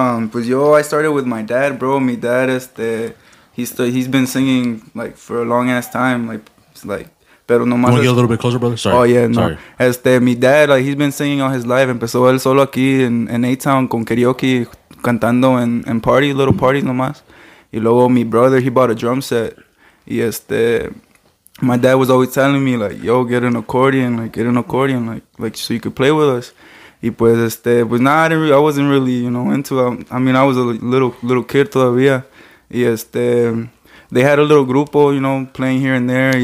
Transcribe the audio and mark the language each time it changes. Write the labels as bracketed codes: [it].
[es] pues yo, [en] I started with my dad, bro. Mi dad, He's been singing like for a long ass time, like [es] pero no más. [en] Can we get a little bit closer, brother? Sorry. Oh yeah, no. Sorry. Mi dad, like, he's been singing all his life. [es] Empezó él solo aquí en A-Town con karaoke, cantando en party, [en] little parties [es] nomás. Y luego mi [en] brother, he bought a drum set. Y my dad was always telling me like, yo, get an accordion, like so you could play with us. Y pues I wasn't really, you know, into it. I mean, I was a little kid todavía. Y they had a little grupo, you know, playing here and there.